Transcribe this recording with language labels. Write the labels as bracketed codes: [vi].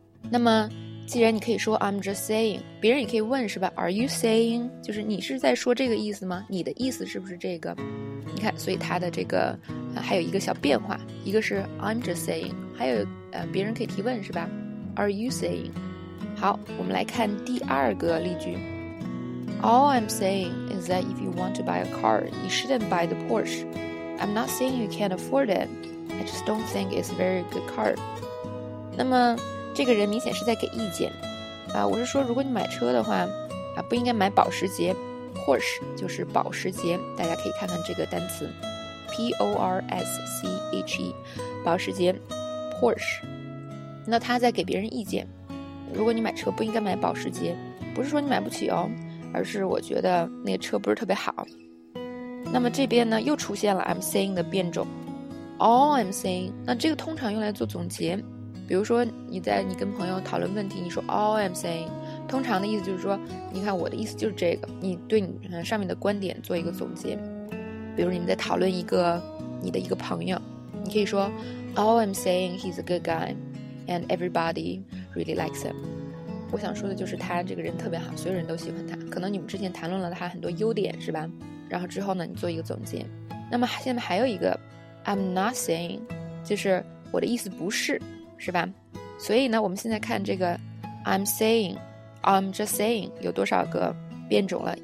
[zh] 那么既然你可以说 [en] I'm just saying， [zh] 别人也可以问是吧， [en] Are you saying， [zh] 就是你是在说这个意思吗，你的意思是不是这个。你看，所以它的这个还有一个小变化，一个是 [en] I'm just saying， [zh] 还有别人可以提问是吧， [en] Are you saying。 [zh] 好，我们来看第二个例句。 [en] All I'm saying is that if you want to buy a car, you shouldn't buy the Porsche. I'm not saying you can't afford it. I just don't think it's a very good car. [zh] 那么这个人明显是在给意见。我是说如果你买车的话，不应该买保时捷。 Porsche 就是保时捷，大家可以看看这个单词。 P-O-R-S-C-H-E, 保时捷 ,Porsche。那他在给别人意见。如果你买车不应该买保时捷，不是说你买不起哦。而是我觉得那个车不是特别好。那么这边呢又出现了 [en] I'm saying [zh] 的变种， [en] All I'm saying， [zh] 那这个通常用来做总结。比如说你跟朋友讨论问题，你说 [en] All I'm saying， [zh] 通常的意思就是说你看我的意思就是这个，你对你上面的观点做一个总结。比如你们在讨论一个你的一个朋友，你可以说 [en] All I'm saying he's a good guy and everybody really likes him。 [zh] 我想说的就是他这个人特别好，所有人都喜欢他。可能你们之前谈论了他很多优点是吧，然后之后呢你做一个总结。那么现在还有一个 [en] I'm not saying， [zh] 就是我的意思不是是吧。所以呢我们现在看这个 [en] I'm saying I'm just saying [zh] 有多少个变种了。